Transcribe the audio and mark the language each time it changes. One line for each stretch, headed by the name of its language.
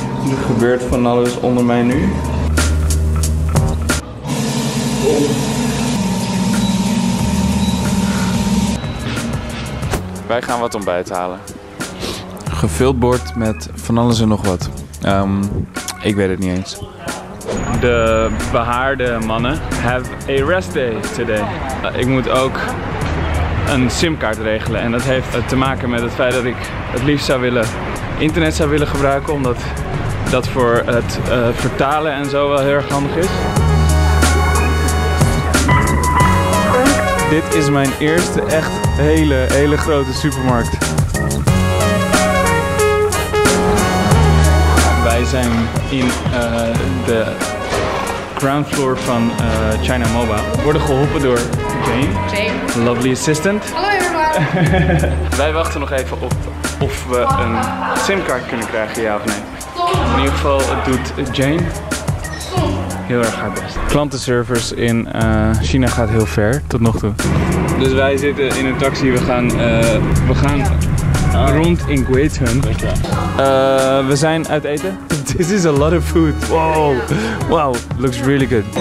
Dutch: Er gebeurt van alles onder mij nu. Wij gaan wat ontbijt halen. Gevuld bord met van alles en nog wat. Ik weet het niet eens. De behaarde mannen
English: have a rest day today.
Dutch: Ik moet ook een simkaart regelen. En dat heeft te maken met het feit dat ik het liefst zou willen internet zou willen gebruiken. Omdat dat voor het vertalen en zo wel heel erg handig is. Dit is mijn eerste echt hele, hele grote supermarkt. Wij zijn in de
English: ground floor
Dutch: van China Mobile. We worden geholpen door Jane. Jane.
English: Lovely assistant. Hallo everyone.
Dutch: Wij wachten nog even op of we een simkaart kunnen krijgen, ja of nee. In ieder geval doet Jane heel erg haar best. Klantenservice in China gaat heel ver, tot nog toe. Dus wij zitten in een taxi, we gaan rond in Guizhun. We zijn uit eten.
English: This is a lot of food. Wow, wow, looks really good.